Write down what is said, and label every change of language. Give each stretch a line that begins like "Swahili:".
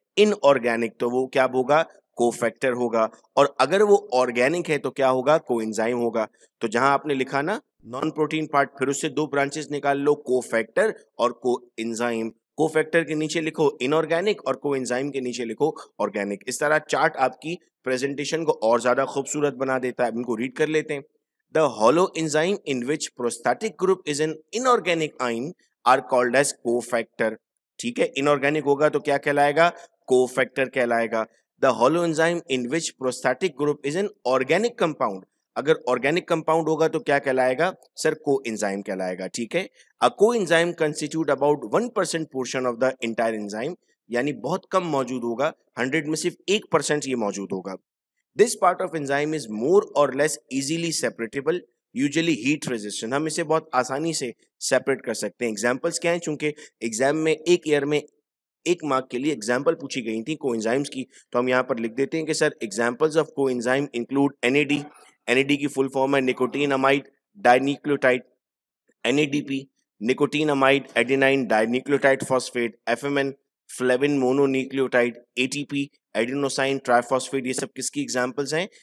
Hindi: Inorganic, तो वो क्या होगा? को फैक्टर होगा। और अगर वो ऑर्गेनिक है तो क्या होगा? को एंजाइम होगा। तो जहां आपने लिखा ना नॉन प्रोटीन पार्ट, फिर उससे दो ब्रांचेस निकाल लो, को फैक्टर और को एंजाइम। को फैक्टर के नीचे लिखो इनऑर्गेनिक और को एंजाइम के नीचे लिखो ऑर्गेनिक। इस तरह चार्ट आपकी प्रेजेंटेशन को और ज्यादा खूबसूरत बना देता है। इनको रीड कर लेते हैं।
English: The hollow enzyme in which prostatic group is an inorganic ion are called as cofactor.
Hindi: ठीक है, inorganic होगा तो क्या कहलाएगा? Cofactor कहलाएगा।
English: The hollow enzyme in which prostatic group is an organic compound.
Hindi: अगर organic compound होगा तो क्या कहलाएगा? Sir, coenzyme कहलाएगा। ठीक है,
English: A coenzyme constitute about 1% portion of the entire enzyme.
Hindi: यानी बहुत कम मौजूद होगा, 100 में सिर्फ 1% ये मौजूद होगा।
English: This part of enzyme is more or less easily separatable, usually heat resistant.
Hindi: हम इसे बहुत आसानी से separate कर सकते हैं। Examples क्या हैं? चूंकि exam में एक year में एक mark के लिए example पूछी गई थी coenzymes की, तो हम यहाँ पर लिख देते हैं कि sir
English: examples of coenzyme include
Hindi: NAD, NAD की full form है nicotinamide dinucleotide, NADP, nicotinamide adenine dinucleotide phosphate, FMN, flavin mononucleotide, ATP, adenosine triphosphate, ये सब किसकी एग्जांपल्स हैं?